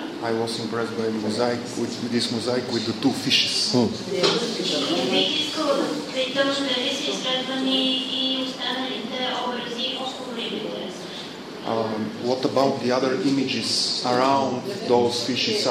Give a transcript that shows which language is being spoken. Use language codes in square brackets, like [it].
[en] I was impressed by mosaic with this mosaic with the two fishes. [bg] Бих искала да питам, дали са изследвани и останалите образи около рибите. [en] What about the other images around those fishes?